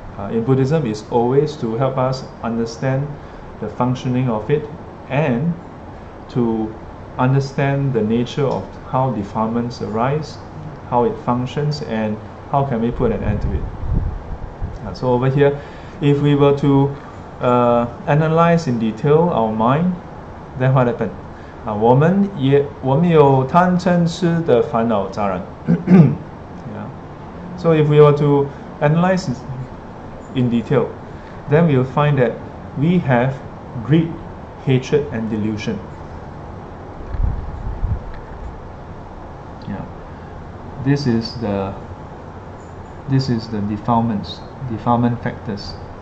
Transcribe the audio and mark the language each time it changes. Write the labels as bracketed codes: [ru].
[en] In Buddhism, it's always to help us understand the functioning of it and to understand the nature of how defilements arise, how it functions, and how can we put an end to it. So over here, if we were to analyze in detail our mind, then what happened? [zh] 我们有贪嗔痴的烦恼杂染。 [en] So if we were to analyze in detail, then we'll find that we have greed, hatred, and delusion. This is the defilements, defilement factors.